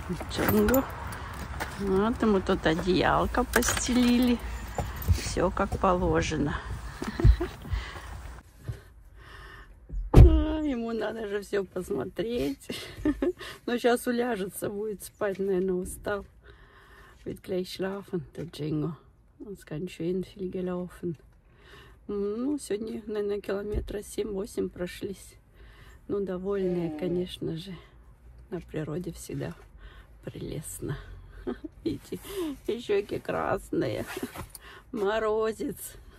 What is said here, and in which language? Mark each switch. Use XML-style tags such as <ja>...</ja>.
<ru>Чунгу. Вот ему тут одеялко постелили. Все как положено. Ему надо же все посмотреть. Но сейчас уляжется, будет спать, наверное, устал.</ru> <de>Wird gleich schlafen, der Чунгу.</de> <ru>Он</ru> <de>ganz schön viel gelaufen.</de> <ru>Ну, сегодня, наверное, километра 7-8 прошлись. Ну, довольные, конечно же. На природе всегда прелестно. Видите, и щеки красные. Морозец.</ru>